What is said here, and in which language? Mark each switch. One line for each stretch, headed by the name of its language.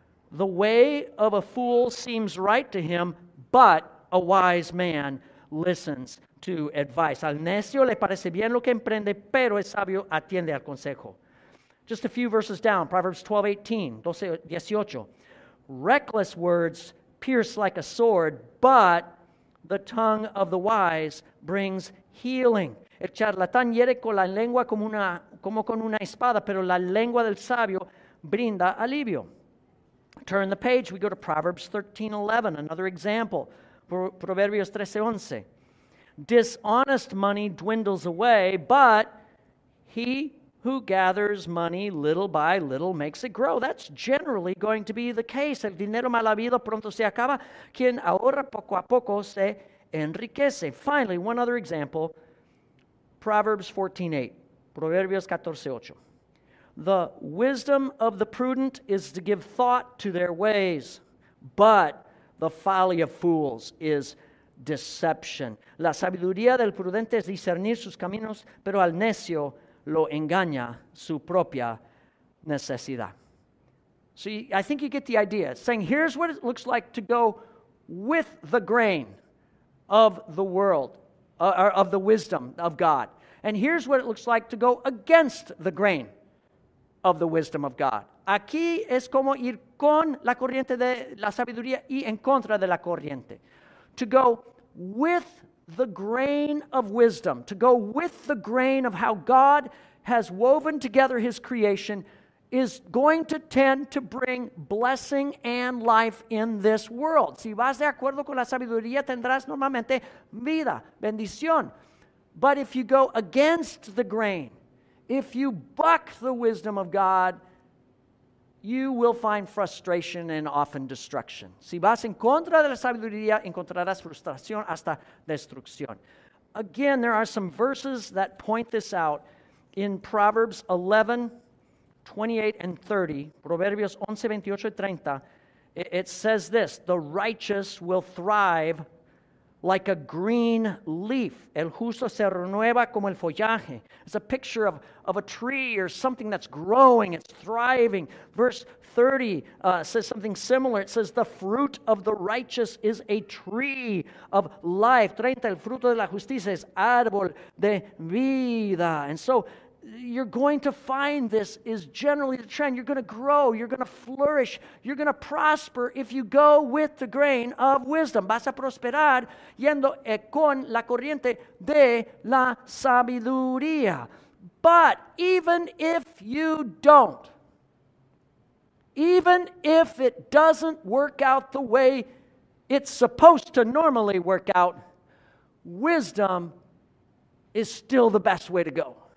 English: The way of a fool seems right to him, but a wise man listens to advice.
Spanish: Al necio le parece bien lo que emprende, pero el sabio atiende al consejo.
English: Just a few verses down, Proverbs 12:18. Reckless words pierce like a sword, but the tongue of the wise brings healing.
Spanish: El charlatán hiere con la lengua como con una espada, pero la lengua del sabio brinda alivio.
English: Turn the page, we go to Proverbs 13:11, another example.
Spanish: Proverbios 13:11.
English: Dishonest money dwindles away, but he who gathers money little by little makes it grow. That's generally going to be the case.
Spanish: El dinero mal habido pronto se acaba. Quien ahorra poco a poco se enriquece.
English: Finally, one other example. Proverbs 14:8. Proverbios 14:8. The wisdom of the prudent is to give thought to their ways, but the folly of fools is deception.
Spanish: La sabiduría del prudente es discernir sus caminos, pero al necio lo engaña su propia necesidad.
English: So I think you get the idea. It's saying, here's what it looks like to go with the grain of the world, or of the wisdom of God. And here's what it looks like to go against the grain of the wisdom of God.
Spanish: Aquí es como ir con la corriente de la sabiduría y en contra de la corriente.
English: To go with the grain of wisdom, to go with the grain of how God has woven together his creation is going to tend to bring blessing and life in this world.
Spanish: Si vas de acuerdo con la sabiduría, tendrás normalmente vida, bendición.
English: But if you go against the grain, if you buck the wisdom of God, you will find frustration and often destruction.
Spanish: Si vas en contra de la sabiduría, encontrarás frustración hasta destrucción.
English: Again, there are some verses that point this out in Proverbs 11:28-30. Proverbios 11:28-30. It says this, the righteous will thrive like a green leaf.
Spanish: El justo se renueva como el follaje.
English: It's a picture of a tree or something that's growing, it's thriving. Verse 30 says something similar. It says, the fruit of the righteous is a tree of life.
Spanish: 30, el fruto de la justicia es árbol de vida.
English: And so you're going to find this is generally the trend. You're going to grow. You're going to flourish. You're going to prosper if you go with the grain of wisdom.
Spanish: Vas a prosperar yendo con la corriente de la sabiduría.
English: But even if you don't, even if it doesn't work out the way it's supposed to normally work out, wisdom is still the best way to go.